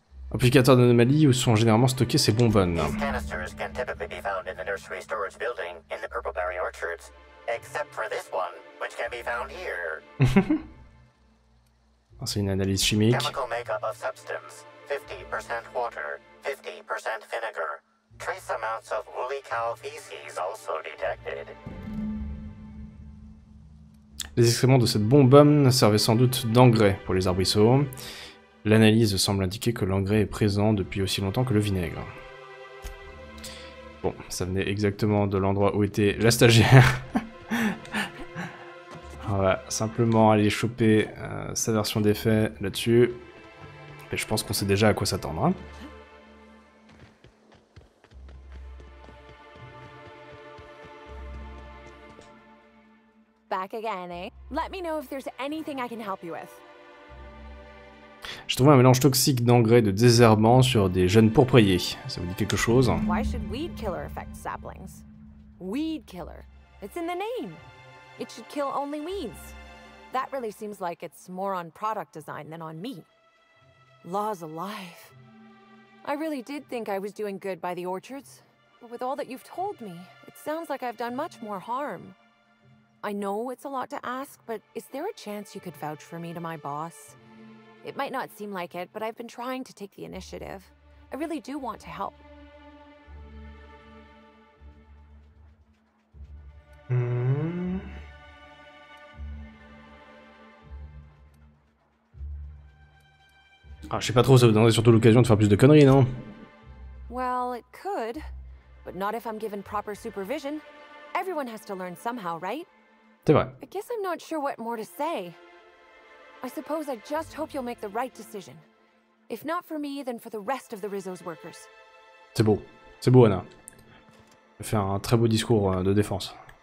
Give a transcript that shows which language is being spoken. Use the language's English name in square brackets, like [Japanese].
[French] Amplificateurs d'anomalie où sont généralement stockées ces bonbonnes. [English] These canisters can typically be found in the nursery storage building in the purpleberry orchards, except for this one, which can be found here. [French] Oh, c'est une analyse chimique. [English] Chemical makeup of substance: 50% water, 50% vinegar. Trace amounts of woolly cow feces also detected. [French] Les excréments de cette bonbonne servaient sans doute d'engrais pour les arbrisseaux. L'analyse semble indiquer que l'engrais est présent depuis aussi longtemps que le vinaigre. Bon, ça venait exactement de l'endroit où était la stagiaire. On va simplement aller choper sa version des faits là-dessus. Et je pense qu'on sait déjà à quoi s'attendre. Hein. [English] Back again, eh? Let me know if there's anything I can help you with. [French] J'ai trouvé un mélange toxique d'engrais de désherbant sur des jeunes pourpriers. Ça vous dit quelque chose? [English] Why should weed killer affect saplings? Weed killer. It's in the name. It should kill only weeds. That really seems like it's more on product design than on me. Laws alive. I really did think I was doing good by the orchards, but with all that you've told me, it sounds like I've done much more harm. I know it's a lot to ask, but is there a chance you could vouch for me to my boss? It might not seem like it, but I've been trying to take the initiative. I really do want to help. [French] Ah, je sais pas trop, ça vous donnerait surtout l'occasion de faire plus de conneries, non? [English] Well, it could, but not if I'm given proper supervision. Everyone has to learn somehow, right? [French] C'est vrai. [English] I guess I'm not sure what more to say. I suppose I just hope you'll make the right decision. If not for me, then for the rest of the Rizzo's workers. [French] C'est beau, Anna. Elle fait un très beau discours de défense.